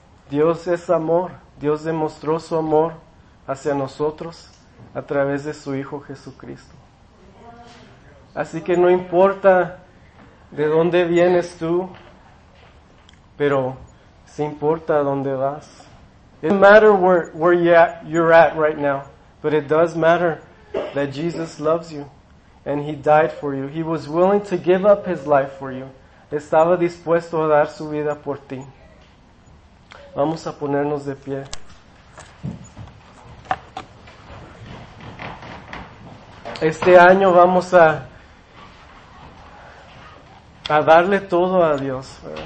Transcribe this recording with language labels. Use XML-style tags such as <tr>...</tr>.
<es>Dios es amor. Dios demostró su amor hacia nosotros a través de su Hijo Jesucristo. Así que no importa de dónde vienes tú, pero se importa dónde vas.</es> <en>It doesn't matter where you're at right now, but it does matter that Jesus loves you and He died for you. He was willing to give up His life for you.</en> <es>Estaba dispuesto a dar su vida por ti. Vamos a ponernos de pie. Este año vamos a darle todo a Dios.</es>